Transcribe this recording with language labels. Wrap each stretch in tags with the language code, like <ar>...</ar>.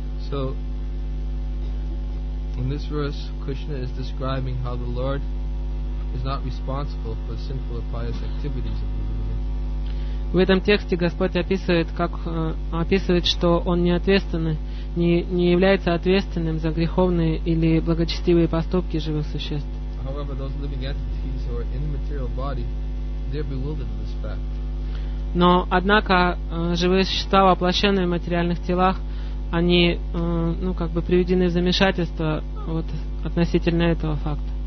<en>So, in this verse, Krishna is describing how the Lord is not responsible for sinful or pious activities of the living entity.</en> <ru>В этом тексте Господь описывает, как описывает, что Он не ответственный, не является ответственным за греховные или благочестивые поступки живых существ.</ru> <en>However, those living entities who are in the material body, they're bewildered with this fact.</en> <ru>Но, однако, живые существа, воплощенные в материальных телах, они, ну, как бы приведены в замешательство вот, относительно этого факта.</ru>